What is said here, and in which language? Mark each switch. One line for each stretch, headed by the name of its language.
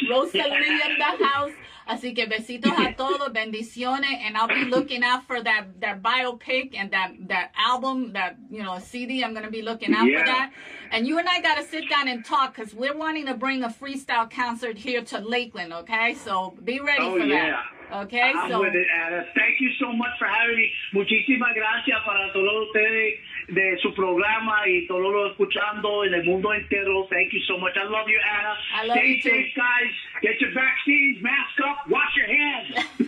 English: Rosalie in the house.
Spanish: Así que besitos a todos, bendiciones.
English: And I'll be looking out for that biopic and that album, that, CD. I'm going to be looking out for that. And you and I got to sit down and talk, because we're wanting to bring a freestyle concert here to Lakeland, okay? So be ready for that. Okay? Thank you so much for having me.
Spanish: Muchísimas gracias para todos ustedes de su programa y todos los escuchando en el mundo entero.
English: Thank you so much. I love you, Anna. Stay safe, guys. Get your vaccines, mask up, wash your hands.